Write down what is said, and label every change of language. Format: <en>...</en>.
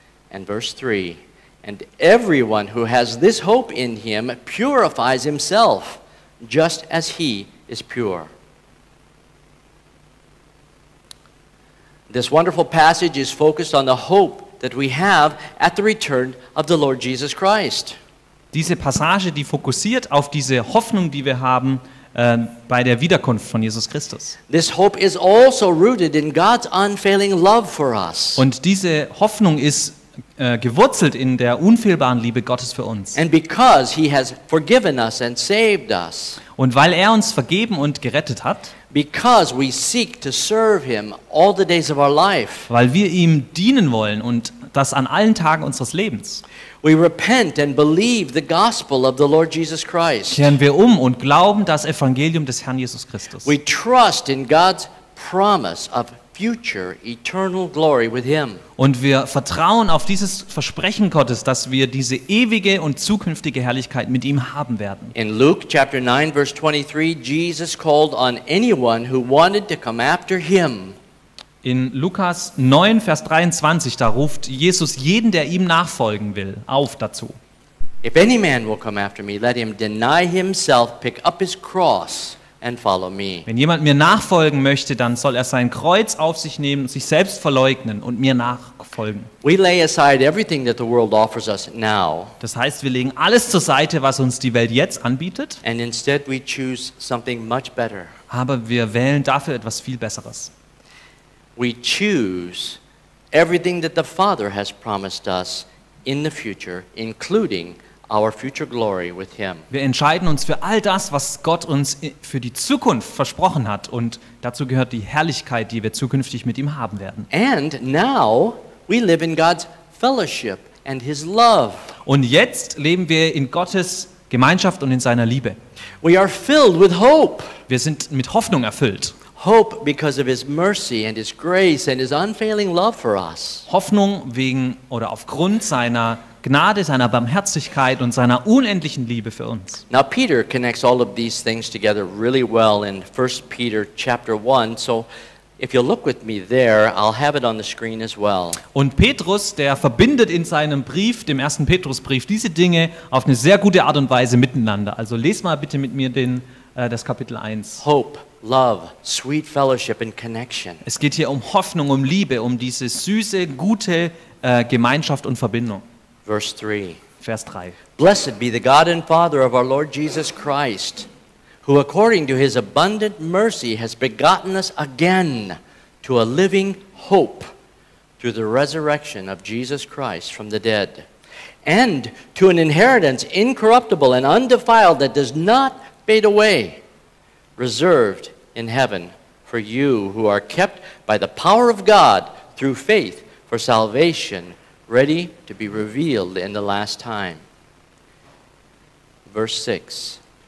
<en>And verse 3, and everyone who has this hope in him purifies himself, just as he is pure. This wonderful passage is focused on the hope that we have at the return of the Lord Jesus Christ.</en> <de>Diese Passage, die fokussiert auf diese Hoffnung, die wir haben bei der Wiederkunft von Jesus Christus.</de> <en>This hope is also rooted in God's unfailing love for us.</en> <de>Und diese Hoffnung ist gewurzelt in der unfehlbaren Liebe Gottes für uns.</de> <en>And because he has forgiven us and saved us.</en> <de>Und weil er uns vergeben und gerettet hat.</de> <en>Because we seek to serve him all the days of our life.</en> <de>Weil wir ihm dienen wollen und das an allen Tagen unseres Lebens.</de> <en>We repent and believe the gospel of the Lord Jesus Christ.</en> <de>Kehren wir um und glauben das Evangelium des Herrn Jesus Christus.</de> <en>We trust in God's promise of future eternal glory with him.</en> <de>Und wir vertrauen auf dieses Versprechen Gottes, dass wir diese ewige und zukünftige Herrlichkeit mit ihm haben werden.</de> <en>In Luke chapter 9 verse 23 Jesus called on anyone who wanted to come after him.</en> <de>In Lukas 9 Vers 23 da ruft Jesus jeden, der ihm nachfolgen will, auf dazu.</de> <en>If any man will come after me, let him deny himself, pick up his cross. And follow me.</en> <de>Wenn jemand mir nachfolgen möchte, dann soll er sein Kreuz auf sich nehmen, sich selbst verleugnen und mir nachfolgen.</de> <en>We lay aside everything that the world offers us now.</en> <de>Das heißt, wir legen alles zur Seite, was uns die Welt jetzt anbietet.</de> <en>And instead we choose something much better.</en> <de>Aber wir wählen dafür etwas viel Besseres.</de> <en>We choose everything that the Father has promised us in the future, including our future glory with him.</en> <de>Wir entscheiden uns für all das, was Gott uns für die Zukunft versprochen hat, und dazu gehört die Herrlichkeit, die wir zukünftig mit ihm haben werden.</de> <en>And now we live in God's fellowship and his love.</en> <de>Und jetzt leben wir in Gottes Gemeinschaft und in seiner Liebe.</de> <en>We are filled with hope.</en> <de>Wir sind mit Hoffnung erfüllt.</de> <en>Hope because of his mercy and his grace and his unfailing love for us.</en> <de>Hoffnung wegen oder aufgrund seiner Gnade, seiner Barmherzigkeit und seiner unendlichen Liebe für uns.</de> <en>Now Peter connects all of these things together really well in 1 Peter chapter 1. So if you look with me there, I'll have it on the screen as well.</en> <de>Und Petrus, der verbindet in seinem Brief, dem ersten Petrusbrief, diese Dinge auf eine sehr gute Art und Weise miteinander. Also lest mal bitte mit mir das Kapitel 1.</de> <en>Hope, love, sweet fellowship and connection.</en> <de>Es geht hier um Hoffnung, um Liebe, um diese süße, gute Gemeinschaft und Verbindung.</de> <en>Verse 3. Blessed be the God and Father of our Lord Jesus Christ, who according to his abundant mercy has begotten us again to a living hope through the resurrection of Jesus Christ from the dead, and to an inheritance incorruptible and undefiled that does not fade away, reserved in heaven for you who are kept by the power of God through faith for salvation, ready to be revealed in the last time. Verse 6.</en>